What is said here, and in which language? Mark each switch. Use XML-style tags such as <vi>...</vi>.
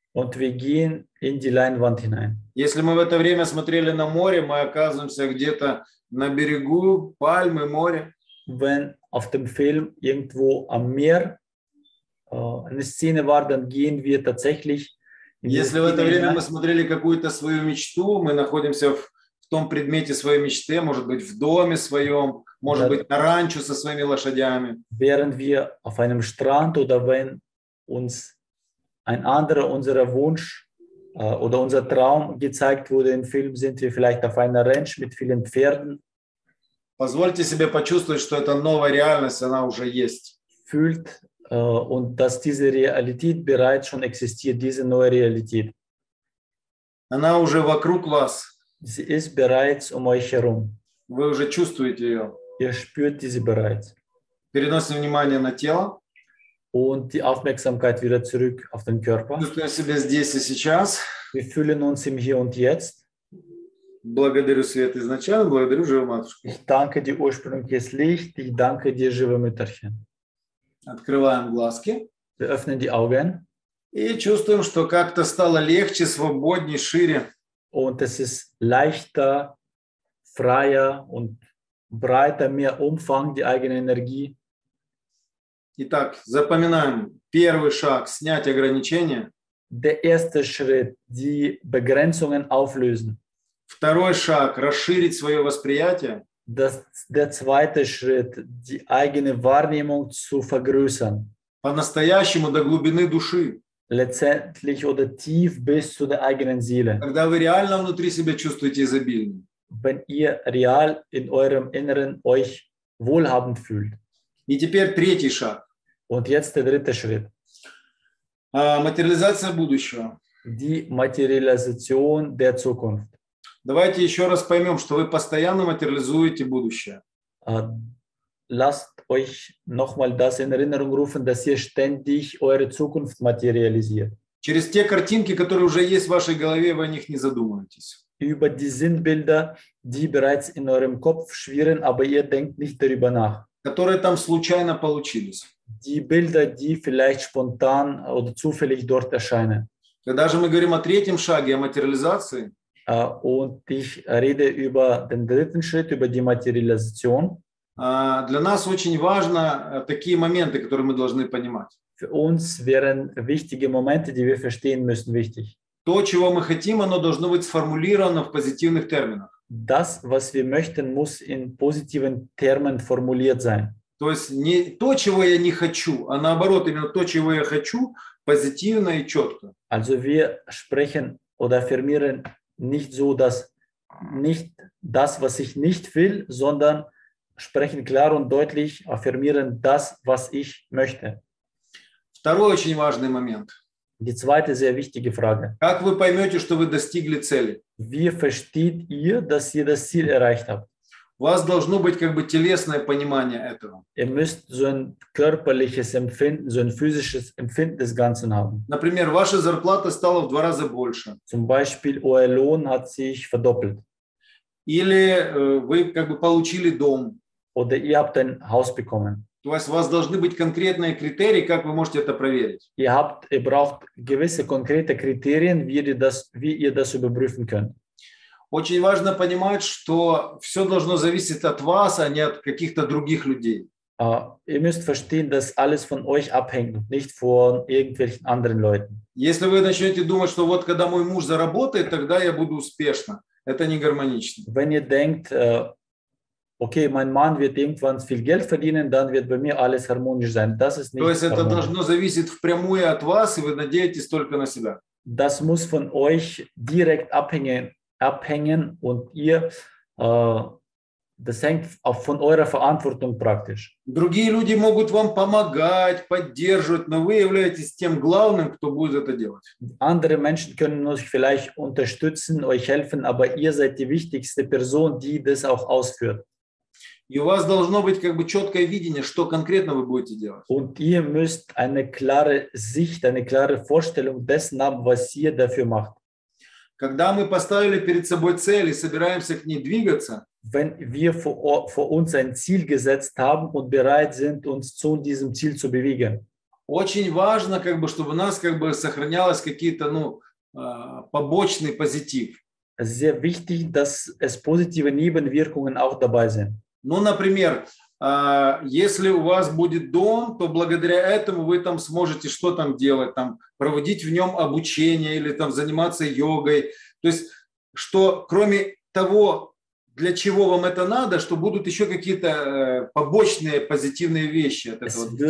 <de>Und wir gehen in die Leinwand hinein.</de> <ru>Если мы в это время смотрели на море, мы оказываемся где-то на берегу, пальмы, море.</ru> <de>Wenn auf dem Film irgendwo am Meer eine Szene war, dann gehen wir tatsächlich in die</de> <ru>Если в это время мы смотрели какую-то свою мечту, мы находимся в том предмете своей мечты, может быть, в доме своем, может быть, на ранчо со своими лошадями.</ru> <de>Während wir auf einem Strand oder wenn uns ein anderer unserer Wunsch oder unser Traum gezeigt wurde im Film, sind wir vielleicht auf einer Ranch mit vielen Pferden.</de> <ru>Позвольте себе почувствовать, что это новая реальность, она уже есть.</ru> <de>Fühlt und dass diese Realität bereits schon existiert, diese neue Realität.</de> <ru>Она уже вокруг вас.</ru> <de>Sie ist bereits um euch herum.</de> <ru>Вы уже чувствуете ее.</ru> <de>Ihr spürt diese bereits.</de> <ru>Переносим внимание на тело.</ru> <de>Und die Aufmerksamkeit wieder zurück auf den Körper.</de> <ru>Чувствуем себя здесь и сейчас.</ru> <de>Wir fühlen uns im Hier und Jetzt.</de> <ru>Благодарю свет изначально, благодарю живую матушку.</ru> <de>Ich danke dir ursprüngliches Licht, ich danke dir,</de> <ru>живое</ru> <de>Мütterchen.</de> <ru>Открываем глазки.</ru> <de>Wir öffnen die Augen.</de> <ru>И чувствуем, что как-то стало легче, свободнее, шире.</ru> <de>Und es ist leichter, freier und breiter, mehr Umfang die eigene Energie.</de> <ru>Итак, запоминаем первый шаг – снять ограничения.</ru> <de>Der erste Schritt – die Begrenzungen auflösen.</de> <ru>Второй шаг – расширить свое восприятие.</ru> <de>Der zweite Schritt – die eigene Wahrnehmung zu vergrößern.</de> <ru>По-настоящему до глубины души.</ru> <de>Letztendlich oder tief bis zu der eigenen Seele.</de> <ru>Когда вы реально внутри себя чувствуете изобилие.</ru> <de>Wenn ihr real in eurem Inneren euch wohlhabend fühlt.</de> <ru>И теперь третий шаг.</ru> <de>Und jetzt der dritte Schritt.</de> <ru>Материализация будущего.</ru> <de>Die Materialisation der Zukunft.</de> <ru>Давайте еще раз поймем, что вы постоянно материализуете будущее.</ru> <de>Lasst euch nochmal das in Erinnerung rufen, dass ihr ständig eure Zukunft materialisiert.</de> <ru>Через те картинки, которые уже есть в вашей голове, вы о них не задумываетесь.</ru> <de>Über die Sinnbilder, die bereits in eurem Kopf schwirren, aber ihr denkt nicht darüber nach.</de> <ru>Которые там случайно получились.</ru> <de>Die Bilder, die vielleicht spontan oder zufällig dort erscheinen.</de> <ru>Когда же мы говорим о третьем шаге, о материализации,</ru> <de>und ich rede über den dritten Schritt, über die Materialisation,</de> <ru>для нас очень важно такие моменты, которые мы должны понимать.</ru> <de>Für uns wären wichtige Momente, die wir verstehen müssen, wichtig.</de> <ru>То, чего мы хотим, оно должно быть сформулировано в позитивных терминах.</ru> <de>Das, was wir möchten, muss in positiven Termen formuliert sein.</de> <ru>То есть не то, чего я не хочу, а наоборот, именно то, чего я хочу, позитивно и четко.</ru> <de>Also wir sprechen oder affirmieren nicht so, dass nicht das, was ich nicht will, sondern sprechen klar und deutlich, affirmieren das, was ich möchte.</de> <ru>Второй очень важный момент.</ru> <de>Die zweite sehr wichtige Frage.</de> <ru>Как вы поймете, что вы достигли цели?</ru> <de>Wie versteht ihr, dass ihr das Ziel erreicht habt?</de> <ru>У вас должно быть как бы телесное понимание этого.</ru> <de>Ihr müsst so ein körperliches Empfinden, so ein physisches Empfinden des Ganzen haben.</de> <ru>Например, ваша зарплата стала в два раза больше.</ru> <de>Zum Beispiel, euer Lohn hat sich verdoppelt.</de> <ru>Или вы как бы получили дом.</ru> <de>Oder ihr habt ein Haus bekommen.</de> <ru>То есть у вас должны быть конкретные критерии, как вы можете это проверить.</ru> <de>Ihr habt, ihr braucht gewisse konkrete Kriterien, wie ihr das überprüfen könnt.</de> <ru>Очень важно понимать, что все должно зависеть от вас, а не от каких-то других людей.</ru> <de>Ihr müsst verstehen, dass alles von euch abhängt, nicht von irgendwelchen anderen Leuten.</de> <ru>Если вы начнете думать, что вот когда мой муж заработает, тогда я буду успешна, это не гармонично.</ru> <de>Wenn ihr denkt, okay, mein Mann wird irgendwann viel Geld verdienen, dann wird bei mir alles harmonisch sein. Das ist nicht.</de> <ru>То есть это должно зависеть впрямую от вас, и вы надеетесь только на себя.</ru> <de>Das muss von euch direkt abhängen und ihr, das hängt auch von eurer Verantwortung praktisch.</de> <ru>Другие люди могут вам помогать, поддерживать, но вы являетесь тем главным, кто будет это делать.</ru> <de>Andere Menschen können euch vielleicht unterstützen, euch helfen, aber ihr seid die wichtigste Person, die das auch ausführt.</de> <ru>И у вас должно быть как бы четкое видение, что конкретно вы будете делать.</ru> <de>Und ihr müsst eine klare Sicht, eine klare Vorstellung dessen haben, was ihr dafür macht.</de> <ru>Когда мы поставили перед собой цель и собираемся к ней двигаться,</ru> <de>wenn wir vor uns ein Ziel gesetzt haben und bereit sind, uns zu diesem Ziel zu bewegen,</de> <ru>очень важно, как бы, чтобы у нас как бы сохранялось какие-то, ну, побочный позитив.</ru> <de>Sehr wichtig, dass es positive Nebenwirkungen auch dabei sind.</de> <ru>Ну, например, если у вас будет дом, то благодаря этому вы там сможете что там делать, там проводить в нем обучение или там заниматься йогой. То есть, что кроме того, для чего вам это надо, что будут еще какие-то побочные позитивные вещи от этого.</ru>